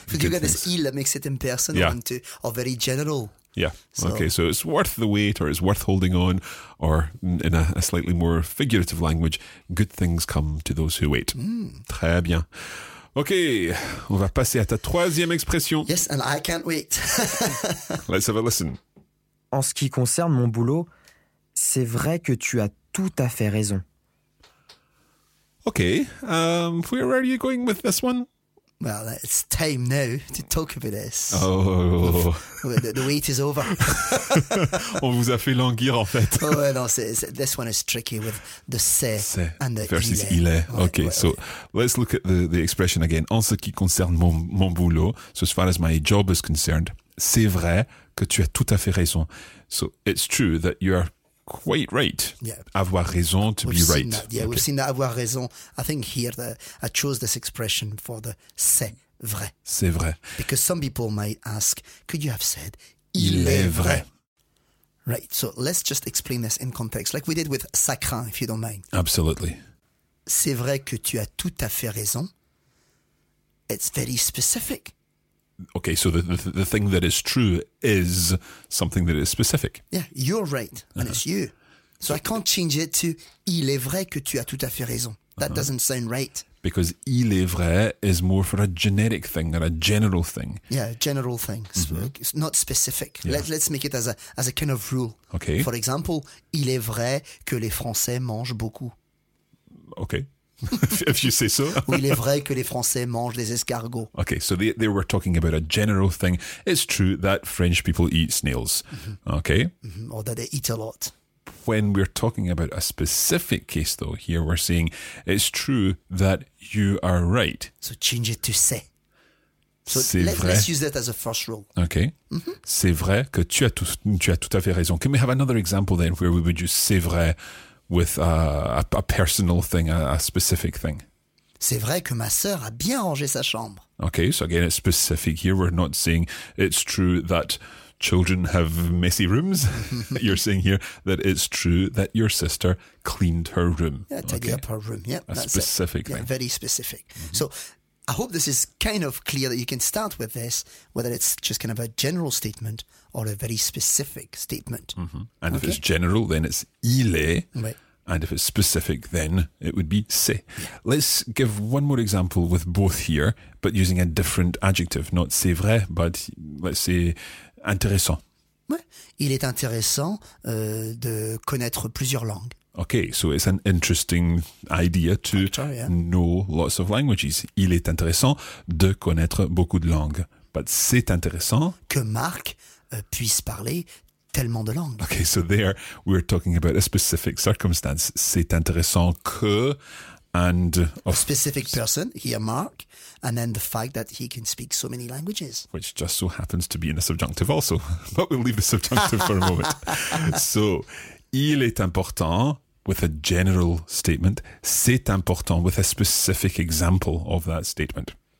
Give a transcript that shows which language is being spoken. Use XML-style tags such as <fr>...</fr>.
<en>Because you've got this il that makes it impersonal or very general. Yeah. Okay. So it's worth the wait, or it's worth holding on, or in a slightly more figurative language, good things come to those who wait. Mm.</en> <fr>Très bien. Okay. On va passer à ta troisième expression.</fr> <en>Yes, and I can't wait. Let's have a listen.</en> <fr>En ce qui concerne mon boulot, c'est vrai que tu as tout à fait raison.</fr> <en>Okay, where are you going with this one? Well, it's time now to talk about this. Oh. The wait is over.</en> <fr>On vous a fait languir, en fait.</fr> <en>Oh, no, this one is tricky with the se and the versus il est. Okay, let's look at the expression again.</en> <fr>En ce qui concerne mon boulot,</fr> <en>so as far as my job is concerned,</en> <fr>c'est vrai que tu as tout à fait raison.</fr> <en>So it's true that you are quite right. Yeah. Avoir raison, to we've be right. That. Yeah, okay. We've seen that avoir raison. I think here that I chose this expression for the c'est vrai.</en> <fr>C'est vrai.</fr> <en>Because some people might ask, could you have said,</en> <fr>il est vrai.</fr> <en>Right, so let's just explain this in context, like we did with ça craint, if you don't mind. Absolutely.</en> <fr>C'est vrai que tu as tout à fait raison.</fr> <en>It's very specific. Okay, so the thing that is true is something that is specific. Yeah, you're right, and it's you. So I can't change it to</en> <fr>il est vrai que tu as tout à fait raison.</fr> <en>That doesn't sound right. Because il est vrai is more for a generic thing than a general thing. Yeah, general thing. It's not specific. Yeah. Let's make it as a kind of rule. Okay.</en> <fr>For example, il est vrai que les Français mangent beaucoup.</fr> <en>Okay. If you say so.</en> <fr>Ou il est vrai que les Français mangent des escargots.</fr> <en>Okay, so they were talking about a general thing. It's true that French people eat snails. Mm-hmm. Okay. Mm-hmm. Or that they eat a lot. When we're talking about a specific case, though, here we're saying it's true that you are right. So change it to c'est. So c'est vrai. Let's use that as a first rule. Okay. Mm-hmm.</en> <fr>C'est vrai que tu as tout à fait raison.</fr> <en>Can we have another example then where we would use c'est vrai with a personal thing, a specific thing?</en> <fr>C'est vrai que ma sœur a bien rangé sa chambre.</fr> <en>Okay, so again, it's specific here. We're not saying it's true that children have messy rooms. You're saying here that it's true that your sister cleaned her room. Yeah, tidied up her room, yeah. A specific thing. Yeah, very specific. Mm-hmm. So I hope this is kind of clear that you can start with this, whether it's just kind of a general statement or a very specific statement. Mm-hmm. And okay. If it's general, then it's il est. Right. And if it's specific, then it would be c'est. Yeah. Let's give one more example with both here, but using a different adjective. Not c'est vrai, but let's say intéressant.</en> <fr>Ouais. Il est intéressant de connaître plusieurs langues.</fr> <en>Okay, so it's an interesting idea to know lots of languages.</en> <fr>Il est intéressant de connaître beaucoup de langues.</fr> <en>But</en> <fr>c'est intéressant que Marc puisse parler tellement de langues.</fr> <en>Okay, so there we're talking about a specific circumstance.</en> <fr>C'est intéressant que and</fr> <en>of a specific person, here Marc, and then the fact that he can speak so many languages. Which just so happens to be in the subjunctive also. But we'll leave the subjunctive for a moment. So il est important with a general statement. C'est important with a specific example of that statement.</en>